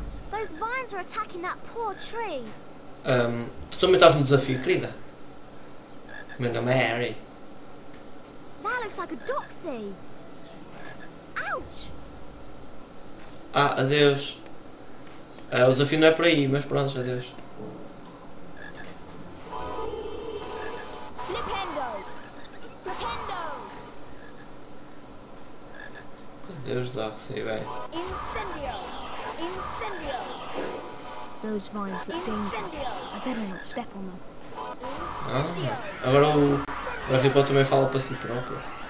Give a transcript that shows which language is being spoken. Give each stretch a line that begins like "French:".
English: Those vines are attacking that poor tree.
Portuguese: Tu também estás no desafio, querida. Meu nome é Harry.
English: That looks like a doxy. Ouch!
Portuguese: Ah, adeus. O desafio não é por aí, mas pronto, adeus. Deus do céu, sei bem. Incendio! Incendio!
English: Those vines look dangerous. I better not step on them.
Portuguese: Ah, agora o Harry Potter também fala para si próprio.